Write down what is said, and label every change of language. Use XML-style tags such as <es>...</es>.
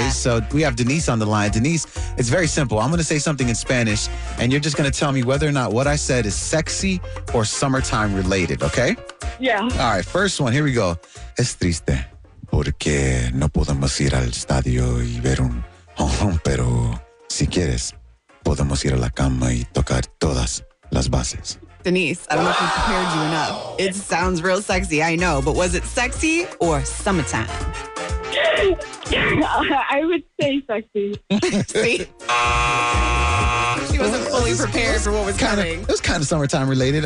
<en>Okay, so we have Denise on the line. Denise, it's very simple. I'm going to say something in Spanish, and you're just going to tell me whether or not what I said is sexy or summertime related, okay? Yeah. All right, first one. Here we go.</en> <es>Es triste. porque no podemos ir al estadio y ver un home, pero si quieres, podemos ir a la cama y tocar todas las bases.</es> <en>Denise, I don't know if we prepared you enough. It sounds real sexy, I know, but was it sexy or summertime? I would say sexy. See? She wasn't fully prepared for what was coming. It was kind of summertime related.</en>